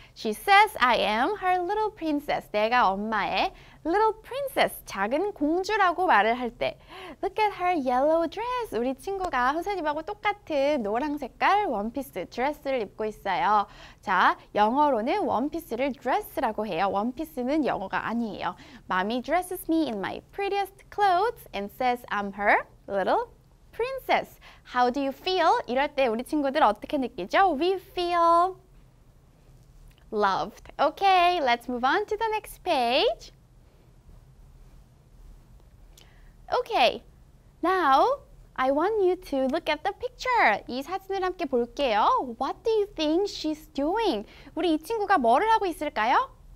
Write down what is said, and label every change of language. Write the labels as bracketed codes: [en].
[en] She says I am her little princess. [ko] 내가 엄마의 little princess, 작은 공주라고 말을 할 때. [en] Look at her yellow dress. [ko] 우리 친구가 선생님하고 똑같은 노란 색깔 원피스, 드레스를 입고 있어요. 자, 영어로는 원피스를 dress라고 해요. 원피스는 영어가 아니에요. [en] Mommy dresses me in my prettiest clothes and says I'm her little princess. How do you feel? [ko] 이럴 때 우리 친구들 어떻게 느끼죠? [en] We feel... loved. Okay, let's move on to the next page. Okay, now I want you to look at the picture. [ko] 이 사진을 함께 볼게요. [en] What do you think she's doing? [ko] 우리 이 친구가 뭐를 하고 있을까요?